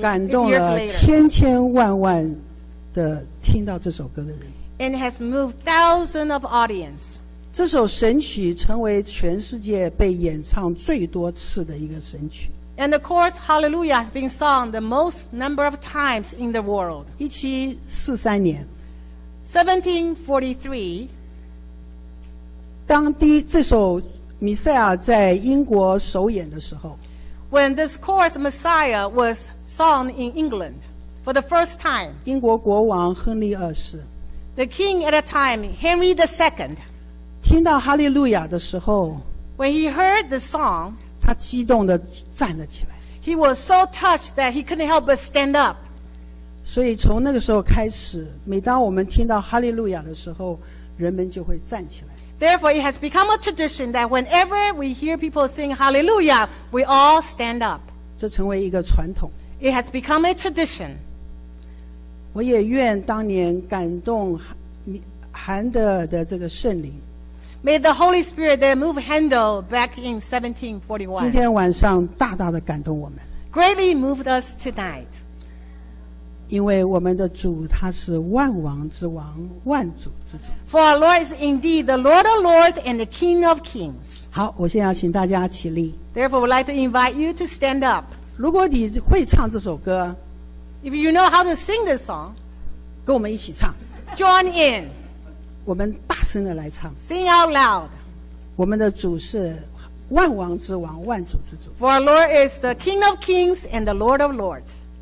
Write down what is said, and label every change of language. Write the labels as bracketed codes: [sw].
[zh] 感动了千千万万的听到这首歌的人。 [en] And has moved thousands of audience. [zh] 这首神曲成为全世界被演唱最多次的一个神曲。 [en] And the chorus Hallelujah has been sung the most number of times in the world. [zh] 1743年。 [en] 1743. [zh] 当第这首弥赛亚在英国首演的时候。 [en] When this chorus Messiah was sung in England for the first time. [zh] 英国国王亨利二世。 [en] The king at a time, Henry II, [zh] 听到哈利路亚的时候， [en] when he heard the song, [zh] 他激动地站了起来。 [en] He was so touched that he couldn't help but stand up. [zh] 所以从那个时候开始，每当我们听到哈利路亚的时候，人们就会站起来。 [en] Therefore, it has become a tradition that whenever we hear people sing Hallelujah, we all stand up. [zh] 这成为一个传统。 [en] It has become a tradition. [zh] 我也愿当年感动韩德尔的这个圣灵。 [en] May the Holy Spirit that moved Handel back in 1741. [zh] 今天晚上大大的感动我们。 [en] Greatly moved us tonight. [zh] 因为我们的主他是万王之王，万主之主。 [en] For our Lord is indeed the Lord of Lords and the King of Kings. [zh] 好，我现在要请大家起立。 [en] Therefore, we'd like to invite you to stand up. [zh] 如果你会唱这首歌。 [en] If you know how to sing this song, [zh] 跟我们一起唱。 [en] Join in. [zh] 我们大声的来唱。 [en] Sing out loud. [zh] 我们的主是万王之王，万主之主。 [en] For our Lord is the King of Kings and the Lord of Lords.